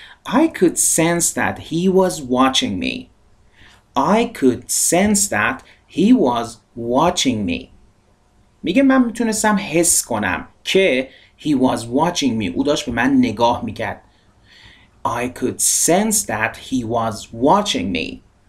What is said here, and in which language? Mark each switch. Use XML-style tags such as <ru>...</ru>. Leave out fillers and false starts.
<en>I could sense that he was watching me. I could sense that he was watching me.</en> <fa>میگه من میتونستم حس کنم که</fa> <en>he was watching me،</en> <fa>او داشت به من نگاه میکرد.</fa> <en>I could sense that he was watching me.</en>